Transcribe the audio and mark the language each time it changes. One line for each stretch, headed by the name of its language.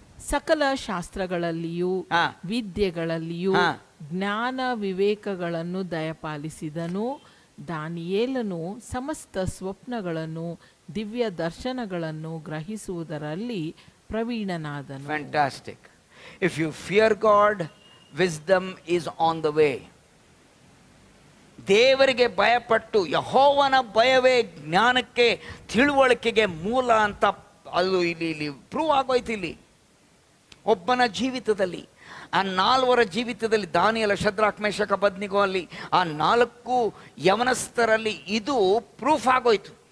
Kannada: ಸಕಲ ಶಾಸ್ತ್ರಗಳಲ್ಲಿಯೂ ವಿದ್ಯೆಗಳಲ್ಲಿಯೂ ಜ್ಞಾನ ವಿವೇಕಗಳನ್ನು ದಯಪಾಲಿಸಿದನು. ದಾನಿಯೇಲನು ಸಮಸ್ತ ಸ್ವಪ್ನಗಳನ್ನು ದಿವ್ಯ ದರ್ಶನಗಳನ್ನು ಗ್ರಹಿಸುವುದರಲ್ಲಿ ಪ್ರವೀಣನಾದನು.
English: Fantastic. If you fear God, wisdom is on the way.
Kannada: ದೇವರಿಗೆ ಭಯಪಟ್ಟು, ಯಹೋವನ ಭಯವೇ ಜ್ಞಾನಕ್ಕೆ ತಿಳುವಳಿಕೆಗೆ ಮೂಲ ಅಂತ ಅದು ಇಲ್ಲಿ ಪ್ರೂವ್ ಆಗೋಯ್ತು. ಇಲ್ಲಿ ಒಬ್ಬನ ಜೀವಿತದಲ್ಲಿ, ಆ 4 ಜೀವಿತದಲ್ಲಿ, ದಾನಿಯೇಲ ಶದ್ರಾಕ್ ಮೇಶಕ ಅಬೇದ್ನೆಗೋ ಅಲ್ಲಿ ಆ 4 ಯವನಸ್ಥರಲ್ಲಿ ಇದು ಪ್ರೂಫ್ ಆಗೋಯ್ತು.